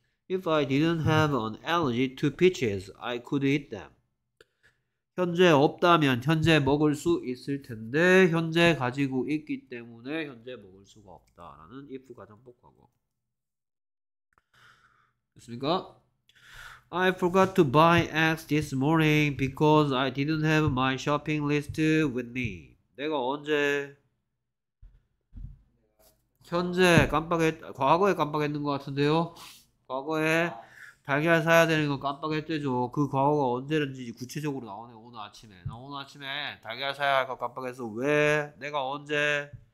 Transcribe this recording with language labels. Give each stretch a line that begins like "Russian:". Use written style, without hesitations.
English: If I didn't have an allergy to peaches, I could eat them.
Korean: 현재 없다면 현재 먹을 수 있을 텐데 현재 가지고 있기 때문에 현재 먹을 수가 없다라는 if 가정법 과거. 됐습니까?
English: I forgot to buy eggs this morning because I didn't have my shopping list with me.
Korean: 내가 언제 현재 깜빡했 과거에 깜빡했는 것 같은데요? 과거에 달걀 사야 되는 거 깜빡했대죠. 그 과거가 언제든지 구체적으로 나오네. 오늘 아침에. 나 오늘 아침에 달걀 사야 할거 깜빡해서 왜? 내가 언제?